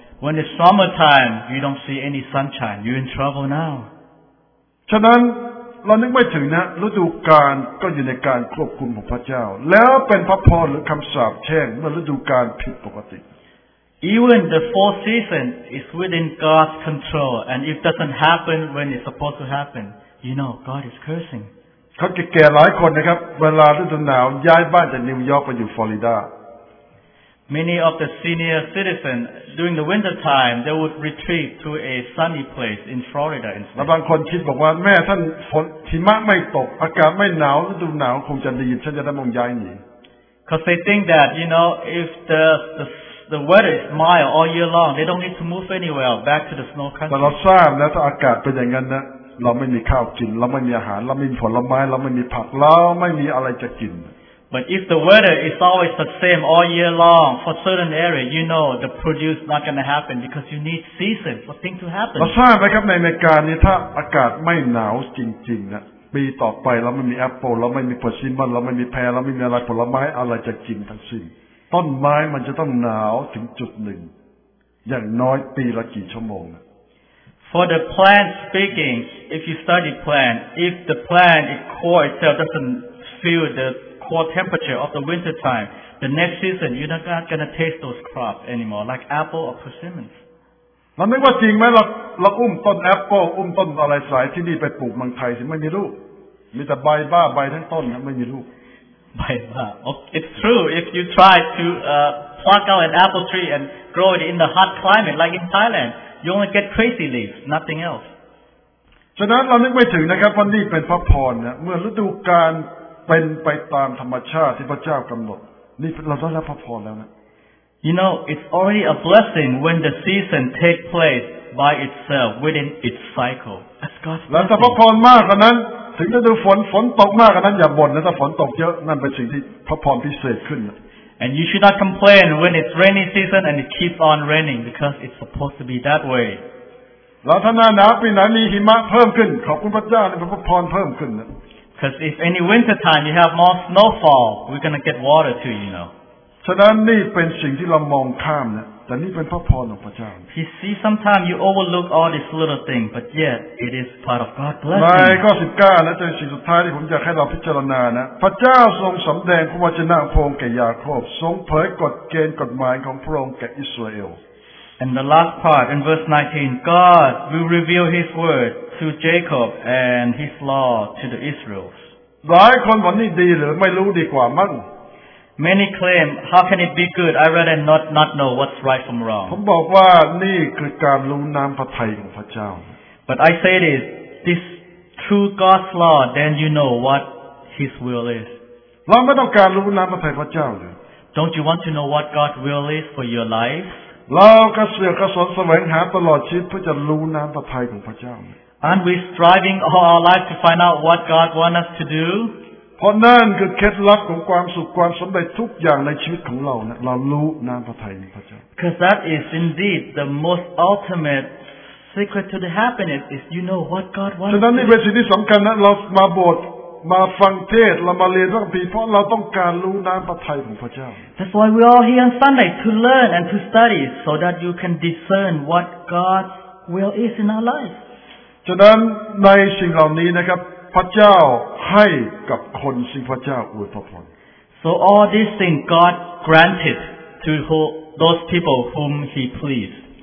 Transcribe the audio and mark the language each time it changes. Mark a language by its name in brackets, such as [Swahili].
[English] When it's summer time you don't see any sunshine you're in trouble now [Thai] ฉะนั้นเรานึกไม่ถึงนะฤดูกาลก็อยู่ในการควบคุมของพระเจ้าแล้วเป็นพระพรหรือคำสาปแช่งเมื่อฤดูกาลผิดปกติ [English] Even the four seasons is within God's control and if doesn't happen when it's supposed to happen you know God is cursing [Thai] คนแก่หลายคนนะครับเวลาฤดูหนาวย้ายบ้านจากนิวยอร์กไปอยู่ฟลอริดา [English] Many of the senior citizens during the winter time they would retreat to a sunny place in Florida instead. [Thai] บางคนคิดบอกว่าแม่ท่านฝนหิมะไม่ตกอากาศไม่หนาวฤดูหนาวคงจะดีฉันจะได้มองย้ายหนี [English] Because they think that you know if the weather is mild all year long they don't need to move anywhere back to the snow country. [Thai] แต่เราทราบนะถ้าอากาศเป็นอย่างนั้นนะเราไม่มีข้าวกินเราไม่มีอาหารเราไม่มีผลไม้เราไม่มีผักเราไม่มีอะไรจะกิน [English] But if the weather is always the same all year long for certain area, you know the produce not going to happen because you need season for things to happen. [Thai] เราทราบไหมครับในอเมริกานี่ถ้าอากาศไม่หนาวจริงๆนะปีต่อไปเราไม่มีแอปเปิลเราไม่มีผลซีมอนเราไม่มีแพร์เราไม่มีอะไรผลไม้อะไรจะกินทั้งสิ้น ต้นไม้มันจะต้องหนาวถึงจุดหนึ่งอย่างน้อยปีละกี่ชั่วโมง [English] For the plant speaking, if you study plant, if the plant its core itself doesn't feel the core temperature of the winter time, the next season you're not gonna taste those crops anymore, like apple or persimmons. [Thai] เราไม่ว่าจริงไหมเราอุ้มต้นแอปเปิลอุ้มต้นอะไรสายที่นี่ไปปลูกเมืองไทยสิไม่มีลูกมีแต่ใบบ้าใบทั้งต้นนะไม่มีลูก ใบบ้า okay. [English] It's true if you try to pluck out an apple tree and grow it in the hot climate like in Thailand you only get crazy leaves nothing else [Thai] ฉะนั้นเรานึกไม่ถึงนะครับวันนี้เป็นพระพรนะเมื่อฤดูกาลเป็นไปตามธรรมชาติที่พระเจ้ากำหนดนี่เราได้รับพระพรแล้วนะ [English] You know, it's already a blessing when the season takes place by itself within its cycle. That's God's blessing. [Thai] แล้วถ้าพระพรมากกว่านั้นถึงจะดูฝนตกมากกว่านั้นอย่าบ่นนะถ้าฝนตกเยอะนั่นเป็นสิ่งที่พระพรพิเศษขึ้น [English] And you should not complain when it's rainy season and it keeps on raining because it's supposed to be that way. [Thai] แล้วถ้าหน้าหนาวปีไหนมีหิมะเพิ่มขึ้นขอบคุณพระเจ้าที่พระพรเพิ่มขึ้นนะ [English] Because if any winter time you have more snowfall, we're going to get water too, you know. [Thai] ฉะนั้นนี่เป็นสิ่งที่เรามองข้ามนะแต่นี่เป็นพระพรของพระเจ้า [English] He see sometimes you overlook all these little things but yet it is part of God's blessing [Thai] ในข้อ19นะจะเป็นสิ่งสุดท้ายที่ผมจะให้เราพิจารณานะพระเจ้าทรงสำแดงพระวจนะพระองค์แก่ยาโคบทรงเผยกฎเกณฑ์กฎหมายของพระองค์แก่อิสราเอล [English] And the last part in verse 19 God will reveal his word to Jacob and his law to the Israel [Thai] หลายคนวันนี้ดีหรือไม่รู้ดีกว่ามั้ง [English] Many claim, how can it be good? I rather not know what's right from wrong. [Thai] ผมบอกว่านี่คือการรู้น้ำพระทัยของพระเจ้า [English] But I say this, this true God's law, then you know what His will is. [Thai] เราไม่ต้องการรู้น้ำพระทัยพระเจ้าเลย [English] Don't you want to know what God's will is for your life? [Thai] เรากระเสือกกระสนแสวงหาตลอดชีวิตเพื่อจะรู้น้ำพระทัยของพระเจ้า [English] Aren't we striving all our life to find out what God wants us to do? [Thai] เพราะนั่นคือเคล็ดลับของความสุขความสำเร็จทุกอย่างในชีวิตของเราเนี่ยเรารู้น้ำพระทัยของพระเจ้า [English] Because that is indeed the most ultimate secret to the happiness is you know what God wants. [Thai] ฉะนั้นนี่เป็นสิ่งที่สำคัญนะเรามาโบสถ์มาฟังเทศเรามาเรียนพระคัมภีร์เพราะเราต้องการรู้น้ำพระทัยของพระเจ้า [English] That's why we all here on Sunday to learn and to study so that you can discern what God's will is in our life. [Thai] ฉะนั้นในสิ่งเหล่านี้นะครับพระเจ้าให้กับคนซึ่งพระเจ้าอวยพร [English] So all these things God granted to those people whom He pleased